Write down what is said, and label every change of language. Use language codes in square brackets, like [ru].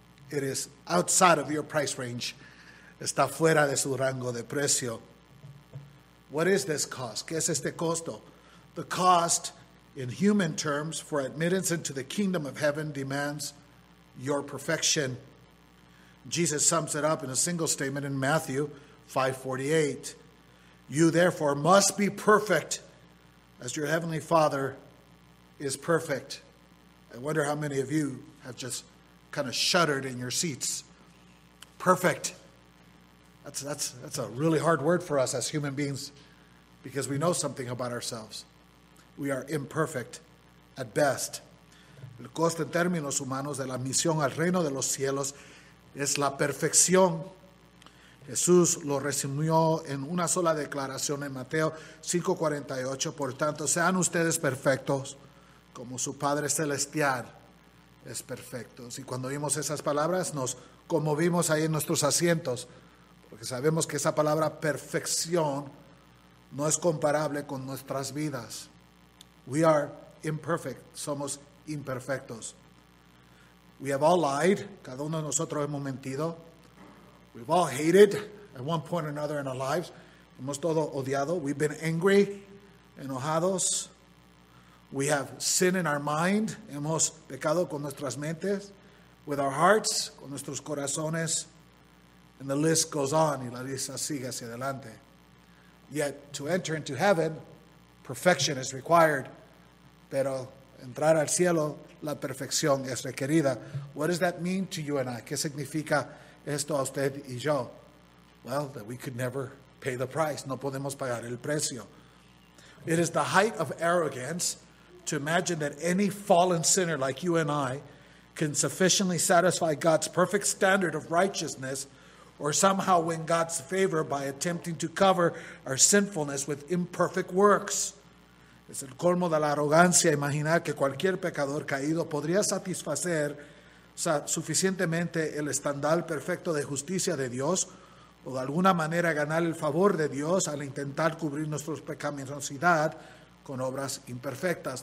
[en] It is outside of your price range. [es] Está fuera de su rango de precio. [en] What is this cost? [es] ¿Qué es este costo? [en] The cost, in human terms, for admittance into the kingdom of heaven demands your perfection. Jesus sums it up in a single statement in Matthew 5:48. You therefore must be perfect as your heavenly Father is perfect. I wonder how many of you have just kind of shuddered in your seats. Perfect. That's a really hard word for us as human beings because we know something about ourselves. We are imperfect at best. [es] El costo en términos humanos de la misión al reino de los cielos es la perfección. Jesús lo resumió en una sola declaración en Mateo 5:48. Por tanto, sean ustedes perfectos como su Padre Celestial es perfecto. Y cuando vimos esas palabras, nos conmovimos ahí en nuestros asientos, porque sabemos que esa palabra perfección no es comparable con nuestras vidas. [en] We are imperfect. [es] Somos imperfectos. [en] We have all lied. [es] Cada uno de nosotros hemos mentido. [en] We've all hated at one point or another in our lives. [es] Hemos todo odiado. [en] We've been angry, [es] enojados. [en] We have sin in our mind. [es] Hemos pecado con nuestras mentes. [en] With our hearts, [es] con nuestros corazones. [en] And the list goes on. [es] Y la lista sigue hacia adelante. [en] Yet, to enter into heaven, perfection is required. [es] Pero entrar al cielo, la perfección es requerida. [en] What does that mean to you and I? [es] ¿Qué significa esto a usted y yo? [en] Well, that we could never pay the price. [es] No podemos pagar el precio. [en] It is the height of arrogance to imagine that any fallen sinner like you and I can sufficiently satisfy God's perfect standard of righteousness or somehow win God's favor by attempting to cover our sinfulness with imperfect works. [es] Es el colmo de la arrogancia imaginar que cualquier pecador caído podría satisfacer suficientemente el estándar perfecto de justicia de Dios o de alguna manera ganar el favor de Dios al intentar cubrir nuestra pecaminosidad con obras imperfectas.